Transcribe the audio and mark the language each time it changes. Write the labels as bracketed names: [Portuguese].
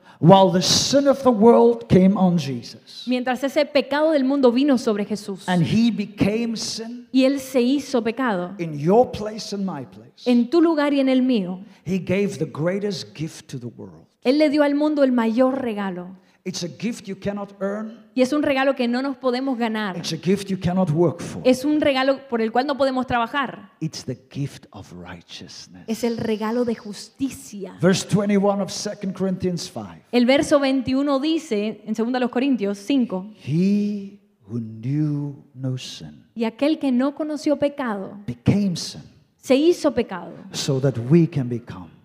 [English] While the sin of the world came on Jesus. [Spanish] Mientras ese pecado del mundo vino sobre Jesús. [English] And he became sin. [Spanish] Y él se hizo pecado. [English] In your place and my place. [Spanish] En tu lugar y en el mío. [English] He gave the greatest gift to the world. [Spanish] Él le dio al mundo el mayor regalo. [English] It's a gift you cannot earn. [Spanish] Y es un regalo que no nos podemos ganar. [English] It's a gift you cannot work for. [Spanish] Es un regalo por el cual no podemos trabajar. [English] It's the gift of righteousness. [Spanish] Es el regalo de justicia. [English] Verse 21 of 2 Corinthians 5. [Spanish] El verso 21 dice en 2 los Corintios 5. [English] He who knew no sin. [Spanish] Y aquel que no conoció pecado. [English] Became sin. [Spanish] Se hizo pecado. [English] So that we can become.